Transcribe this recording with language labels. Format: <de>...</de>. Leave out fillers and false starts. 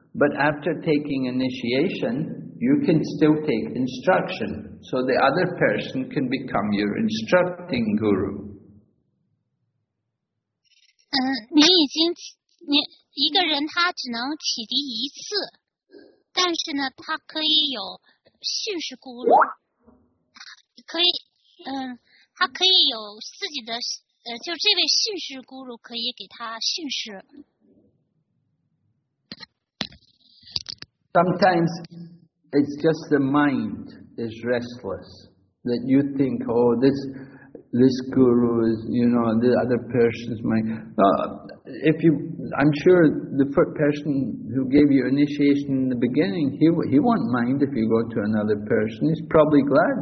<en>But after taking initiation, you can still take instruction. So the other person can become your instructing guru.</en> <zh>你一个人他只能启迪一次，但是呢，他可以有训示咕噜，可以，他可以有自己的，就这位训示咕噜可以给他训示。</zh> <en>Sometimes it's just the mind is restless that you think, oh, this guru is, you know, the other person's mind. I'm sure the first person who gave you initiation in the beginning, he won't mind if you go to another person. He's probably glad.</en>